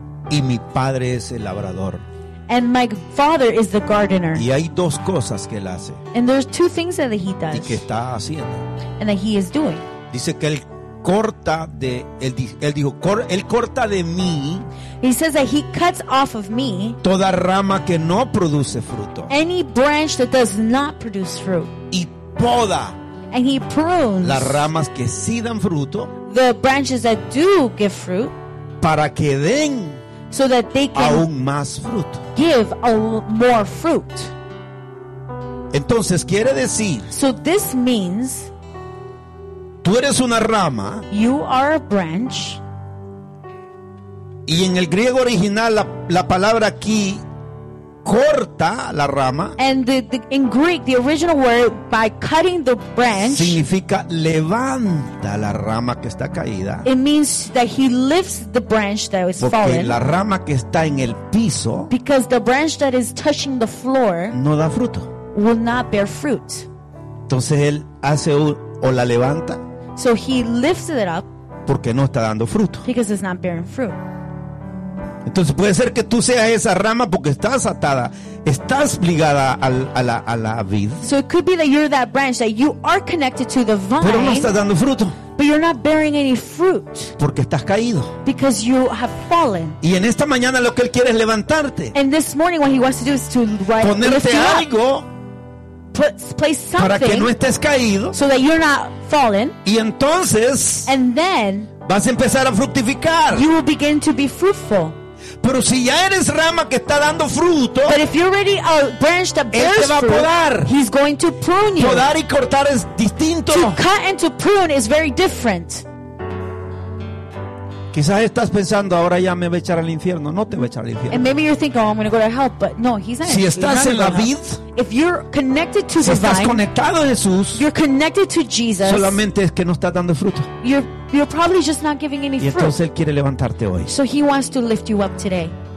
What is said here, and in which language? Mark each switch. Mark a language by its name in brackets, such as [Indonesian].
[Spanish] Y mi padre es el labrador. [English] And my father is the gardener. [Spanish] Y hay dos cosas que él hace. [English] And there's two things that he does. [Spanish] Y que está haciendo. [English] And that he is doing. [Spanish] Dice que él corta de él dijo, él corta de mí. [English] He says that he cuts off of me [Spanish] toda rama que no produce fruto. [English] Any branch that does not produce fruit. [Spanish] Y poda. [English] And he prunes [Spanish] las ramas que sí dan fruto. [English] The branches that do give fruit. [Spanish] Para que den [English] so that they can [Spanish] aún más fruto. [English] Give a more fruit. [Spanish] Entonces quiere decir, [English] so this means [Spanish] tú eres una rama. [English] You are a branch. [Spanish] Y en el griego original la palabra aquí corta la rama. [English] And the in Greek the original word by cutting the branch [Spanish] significa levanta la rama que está caída. [English] It means that he lifts the branch that is fallen. [Spanish] Porque la rama que está en el piso, [English] because the branch that is touching the floor, [Spanish] no da fruto. [English] Will not bear fruit. [Spanish] Entonces él hace o la levanta. [English] So he lifts it up. [Spanish] Porque no está dando fruto. [English] Because it's not bearing fruit. [Spanish] Entonces puede ser que tú seas esa rama porque estás atada, estás ligada a la vid. [English] So it could be that you're that branch, that you are connected to the vine. [Spanish] Pero no estás dando fruto. [English] But you're not bearing any fruit. [Spanish] Porque estás caído. [English] Because you have fallen. [Spanish] Y en esta mañana lo que él quiere es levantarte. [English] And this morning what he wants to do is to lift you up. [Spanish] Ponerte algo. [English] Place something. [Spanish] Para que no estés caído. [English] So that you're not fallen. [Spanish] Y entonces. [English] And then. [Spanish] Vas a empezar a fructificar. [English] You will begin to be fruitful. [Spanish] Pero si ya eres rama que está dando fruto, [English] but if you're already a branch that bears [Spanish] él te va a podar. [English] Fruit, he's going to prune you. [Spanish] Podar y cortar es distinto. [English] To cut and to prune is very different. [Spanish] Quizás estás pensando ahora ya me va a echar al infierno. No te va a echar al infierno. [English] And maybe you're thinking, oh, I'm going to go to hell, but no, he's not. [Spanish] Si estás en la vid, [English] if you're connected to [Spanish] si estás conectado a Jesús, [English] you're connected to Jesus. [Spanish] Solamente es que no estás dando fruto. [English] You're probably just not giving any fruit. [Spanish] Y entonces él quiere levantarte hoy. [English] So he wants to lift you up today.